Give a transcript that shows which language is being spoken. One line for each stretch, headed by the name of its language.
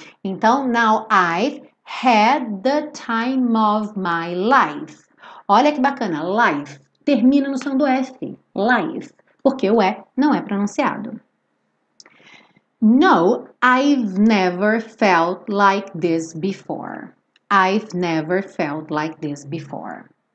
English: Então, now I've had the time of my life.
Portuguese: Olha que bacana, life. Termina no som do F, life. Porque o E não é pronunciado.
English: No, I've never felt like this before. I've never felt like this before.